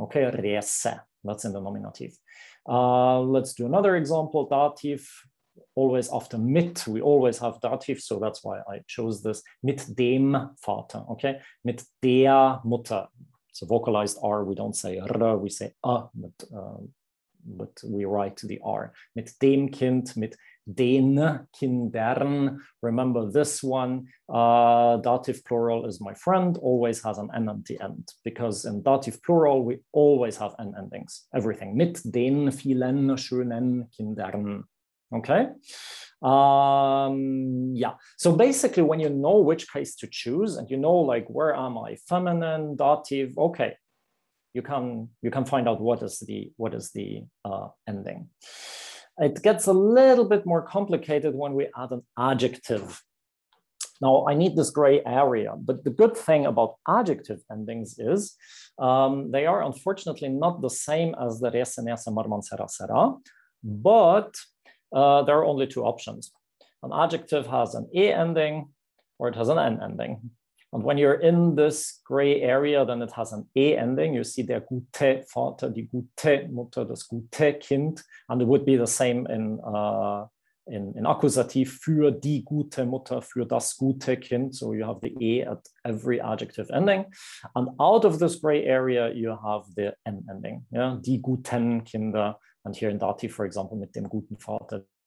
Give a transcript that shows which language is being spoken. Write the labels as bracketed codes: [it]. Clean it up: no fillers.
[en] Okay, Reese, that's in the nominative. Let's do another example. Dativ, always after mit. We always have Dativ, so that's why I chose this. [de] Mit dem Vater, okay? Mit der Mutter. [en] So vocalized R, we don't say R, we say A, but we write the R. [de] Mit dem Kind, mit den Kindern. [en] Remember this one, dativ plural is my friend, always has an N at the end, because in dativ plural, we always have N endings, everything. [de] Mit den vielen schönen Kindern. [en] Okay, yeah. So basically when you know which case to choose and you know, like, where am I, feminine, dative, okay, you can find out what is the ending. It gets a little bit more complicated when we add an adjective. Now I need this gray area, but the good thing about adjective endings is they are unfortunately not the same as the resa, nesa, mrman, sera, sera, but there are only two options. An adjective has an E ending or it has an N ending. And when you're in this gray area, then it has an E ending. You see [de] der gute Vater, die gute Mutter, das gute Kind. [en] And it would be the same in accusative, [de] für die gute Mutter, für das gute Kind. [en] So you have the E at every adjective ending. And out of this gray area, you have the N ending. Yeah, [de] die guten Kinder. [en] And here in Dativ, for example, [de] mit dem guten Vater.